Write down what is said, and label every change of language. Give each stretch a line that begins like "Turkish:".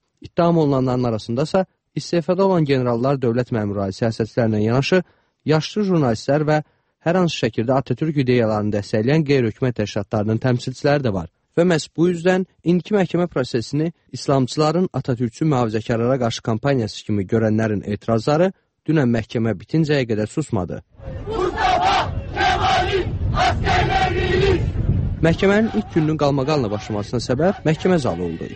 Azerbaijani: İttiham olunanların arasında isə İstefada olan generallar dövlət məmurları siyasətçilərlə yanaşı, yaşlı jurnalistlər və hər hansı şəkildə Atatürk ideyalarını dəstəkləyən qeyri-hökumət təşkilatlarının təmsilçiləri də var. Və məhz bu yüzdən indiki məhkəmə prosesini İslamçıların Atatürkçü mühafizəkarlara qarşı kampaniyası kimi görənlərin etirazları, Dünən məhkəmə bitincəyə qədər susmadı.
Turkish: Mustafa Kemal'in askerleriyiz.
Azerbaijani: Məhkəmənin ilk günün qalmaqalla başlamasına səbəb məhkəmə zalı oldu.